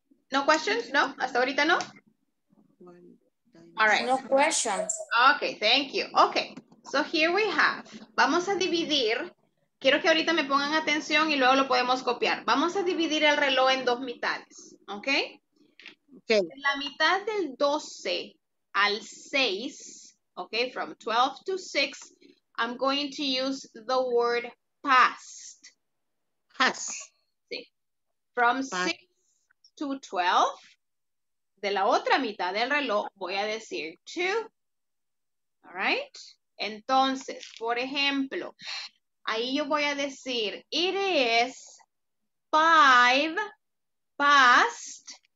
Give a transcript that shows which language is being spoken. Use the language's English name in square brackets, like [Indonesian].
[Spanish] ¿No questions? ¿No? ¿Hasta ahorita no? All right. [English] No questions. Ok, thank you. Ok, so here we have. [Spanish] Vamos a dividir. Quiero que ahorita me pongan atención y luego lo podemos copiar. Vamos a dividir el reloj en dos mitades, ¿ok? Okay. La mitad del 12 al 6, okay, [English] from 12 to 6, I'm going to use the word past. Past. Sí. From past. [Spanish] 6 to 12, de la otra mitad del reloj, voy a decir 2. All right? Entonces, por ejemplo, ahí yo voy a decir, [English] it is 5 past.